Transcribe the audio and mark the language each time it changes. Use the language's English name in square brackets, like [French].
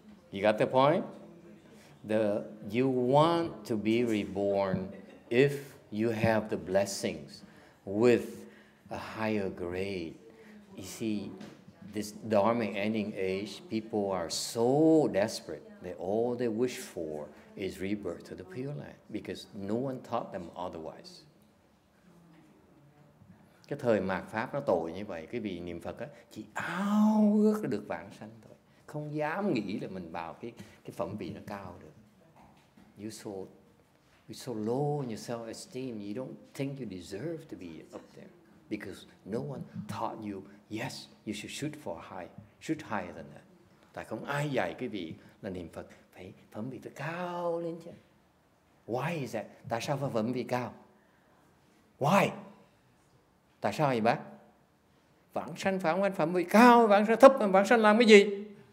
[English] You got the point? You want to be reborn if you have the blessings with a higher grade. You see, this Dharma ending age, people are so desperate that all they wish for is rebirth to the Pure Land because no one taught them otherwise. [Vietnamese] Cái thời mạt pháp nó tồi như vậy, cái vị niệm Phật á chỉ ao ước được vãng sanh thôi, không dám nghĩ là mình vào cái phẩm vị nó cao được. [English] You're so low in your self esteem, you don't think you deserve to be up there because no one taught you. Yes, you should shoot higher than that. [Vietnamese] Tại không ai dạy cái vị là niệm Phật phải phẩm vị phải cao lên chứ. [English] Why is that? [Vietnamese] Tại sao phải phẩm vị cao? [English] Why? [Vietnamese] Tại sao vậy bác? Vãng sanh phải không anh? Phẩm vị cao, vãng sanh thấp, vãng sanh làm cái gì?